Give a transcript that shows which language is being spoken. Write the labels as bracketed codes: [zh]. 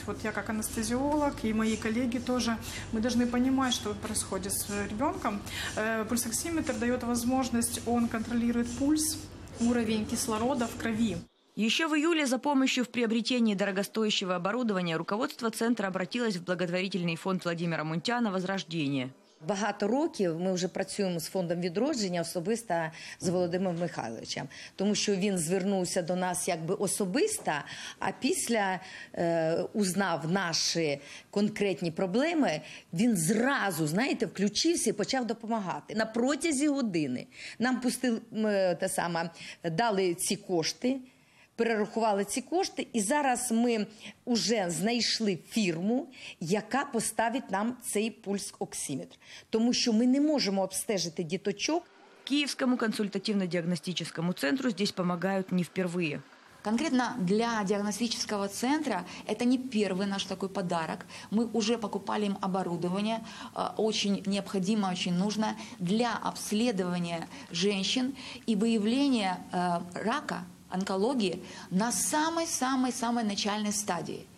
[ru] Вот я как анестезиолог и мои коллеги тоже, мы должны понимать, что происходит с ребенком. Пульсоксиметр дает возможность, он контролирует пульс, уровень кислорода в крови. Еще в июле за помощью в приобретении дорогостоящего оборудования руководство центра обратилось в благотворительный фонд Владимира Мунтяна «Возрождение». [uk] багато років ми вже працюємо з фондом відродження особисто з Володимиром Михайловичем, тому що він звернувся до нас якби особисто, а після узнав наші конкретні проблеми, він зразу, знаєте, включився і почав допомагати. На протязі години нам пустили, та сама, дали ці кошти, перерахували ці кошти, і зараз ми вже знайшли фірму, яка поставить нам цей пульс-оксиметр. Тому що ми не можемо обстежити діточок. [ru] Київському консультативно-діагностичному центру здесь помогают не впервые. Конкретно для диагностического центра это не первый наш такой подарок. Мы уже покупали им оборудование, очень необходимое, очень нужное для обследования женщин и выявления рака, онкологии на самой-самой-самой начальной стадии.